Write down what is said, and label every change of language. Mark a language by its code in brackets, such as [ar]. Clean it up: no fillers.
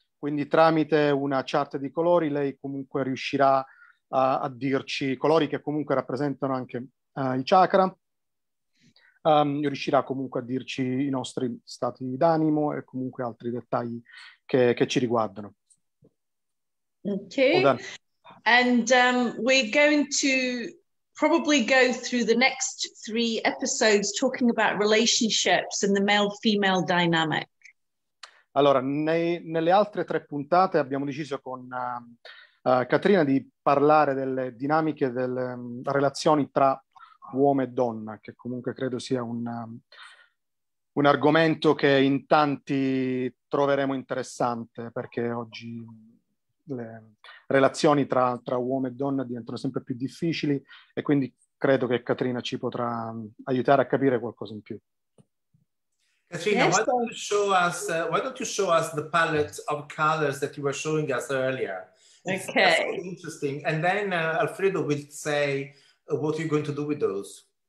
[it] Quindi, tramite una chart di colori, lei comunque riuscirà a dirci i colori che comunque rappresentano anche i chakra, riuscirà comunque a dirci i nostri stati d'animo e comunque altri dettagli che ci riguardano. [en] Okay, and we're going to probably go through the next 3 episodes talking about relationships and the male-female dynamic. [it] Allora, nelle altre 3 puntate abbiamo deciso con Katrina di parlare delle dinamiche delle relazioni tra uomo e donna, che comunque credo sia un un argomento che in tanti troveremo interessante, perché oggi le relazioni tra uomo e donna diventano sempre più difficili, e quindi credo che Katrina ci potrà aiutare a capire qualcosa in più. [en] Katrina, why don't you show us the palette of colors that you were showing us earlier? Okay. That's interesting. And then Alfredo will say what you're going to do with those.